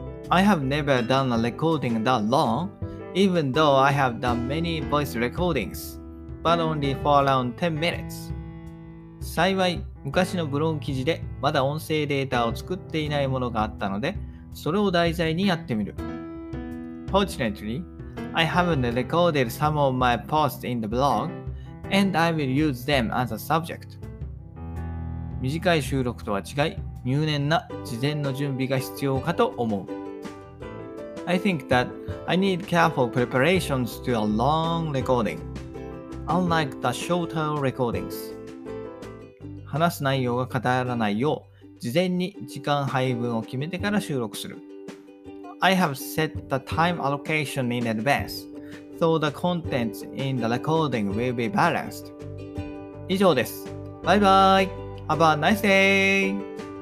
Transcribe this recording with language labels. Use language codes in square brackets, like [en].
[en] I have never done a recording that long, even though I have done many voice recordings, but only for around 10 minutes. [ja] 幸い、昔のブログ記事でまだ音声データを作っていないものがあったので、それを題材にやってみる。 [en] Fortunately, I haven't recorded some of my posts in the blog, and I will use them as a subject. [ja] 短い収録とは違い、入念な事前の準備が必要かと思う。 [en] I think that I need careful preparations to a long recording, unlike the shorter recordings. [ja] 話す内容が偏らないよう、事前に時間配分を決めてから収録する。 [en] I have set the time allocation in advance, so the contents in the recording will be balanced. [ja] 以上です。バイバイ。 [en] Have a nice day!